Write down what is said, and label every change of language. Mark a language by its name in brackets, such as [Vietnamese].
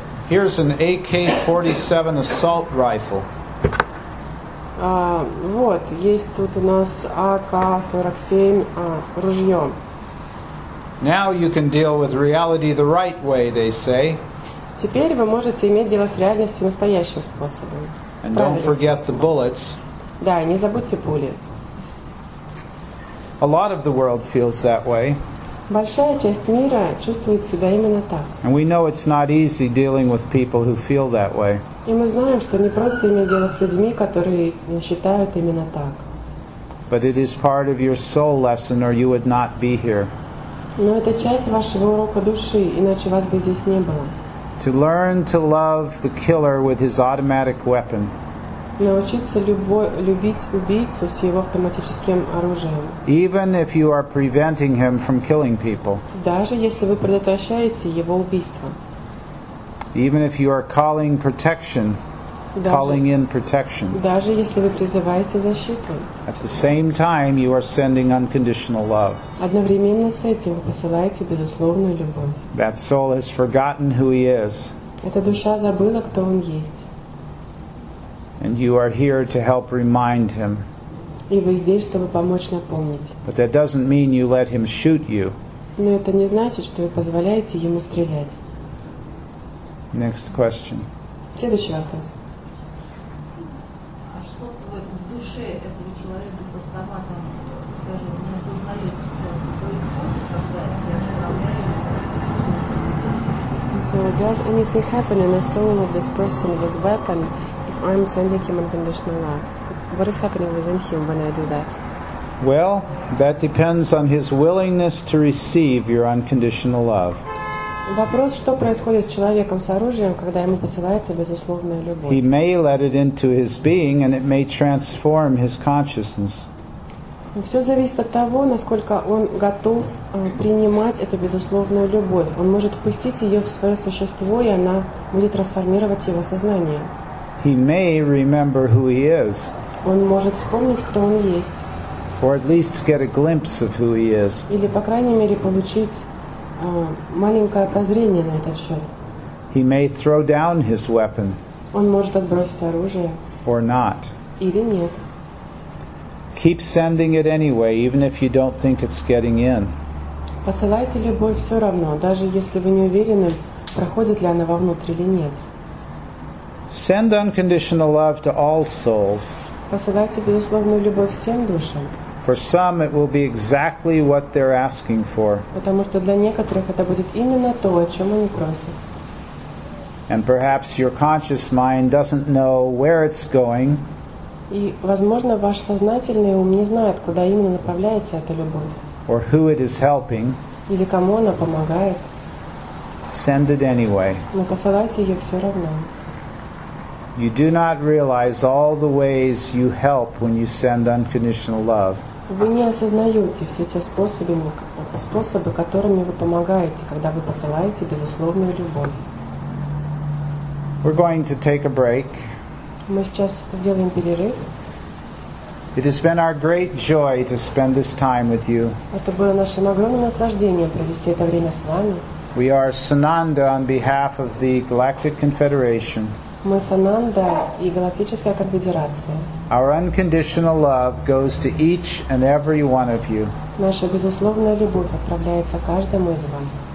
[English] Here's an AK-47 assault rifle. [Russian] Вот, есть тут у нас АК-47 ружье. [English] Now you can deal with reality the right way, they say. [Russian] Теперь вы можете иметь дело с реальностью настоящим способом. [English] And don't forget the bullets. [Russian] Да, не забудьте пули. [English] A lot of the world feels that way. [Russian] Большая часть мира чувствует себя именно так. [English] And we know it's not easy dealing with people who feel that way. [Russian] И мы знаем, что не просто иметь дело с людьми, которые считают именно так. [English] But it is part of your soul lesson, or you would not be here. [Russian] Но это часть вашего урока души, иначе вас бы здесь не было. [English] To learn to love the killer with his automatic weapon. [Russian] Научиться любить убийцу с его автоматическим оружием. [English] Even if you are preventing him from killing people. [Russian] Даже если вы предотвращаете его убийство. [English] Even if you are calling protection, calling in protection. [Russian] Даже если вы призываете защиту. [English] At the same time, you are sending unconditional love. [Russian] Одновременно с этим вы посылаете безусловную любовь. [English] That soul has forgotten who he is. [Russian] Эта душа забыла, кто он есть. [English] And you are here to help remind him. [Russian] И вы здесь, чтобы помочь напомнить. [English] But that doesn't mean you let him shoot you. [Russian] Но это не значит, что вы позволяете ему стрелять. [English] Next question. [Russian] Следующий вопрос. А что в душе этого человека с автоматом даже не осознает, что происходит, когда я отправляю? [English] So does anything happen in the soul of this person with weapon? I'm sending him unconditional love. What is happening within him when I do that? Well, that depends on his willingness to receive your unconditional love. [Russian] Вопрос, что происходит с человеком с оружием, когда ему посылается безусловная любовь? [English] He may let it into his being, and it may transform his consciousness. [Russian] Все зависит от того, насколько он готов принимать эту безусловную любовь. Он может впустить ее в свое существо, и она будет трансформировать его сознание. [English] He may remember who he is. [Russian] Он может вспомнить, кто он есть. [English] Or at least get a glimpse of who he is. [Russian] Или, по крайней мере, получить маленькое прозрение на этот счет. [English] He may throw down his weapon. [Russian] Он может отбросить оружие. [English] Or not. [Russian] Или нет. K-47 [English] Keep sending it anyway, even if you don't think it's getting in. [Russian] Посылайте любовь все равно, даже если вы не уверены, проходит ли она вовнутрь или нет. [English] Send unconditional love to all souls. [Russian] Посылайте безусловную любовь всем душам. [English] For some, it will be exactly what they're asking for. [Russian] Потому что для некоторых это будет именно то, о чем они просят. [English] And perhaps your conscious mind doesn't know where it's going. [Russian] И, возможно, ваш сознательный ум не знает, куда именно направляется эта любовь. [English] Or who it is helping. [Russian] Или кому она помогает. [English] Send it anyway. [Russian] Но посылайте ее все равно. [English] You do not realize all the ways you help when you send unconditional love. [Russian] Вы не осознаете все те способы, которыми вы помогаете, когда вы посылаете безусловную любовь. [English] We're going to take a break. [Russian] Мы сейчас сделаем перерыв. [English] It has been our great joy to spend this time with you. [Russian] Это было нашим огромным наслаждением провести это время с вами. [English] We are Sananda on behalf of the Galactic Confederation. [Russian] Мы Сананда и Галактическая Конфедерация. [English] Our unconditional love goes to each and every one of you. [Russian] Наша безусловная любовь отправляется каждому из вас.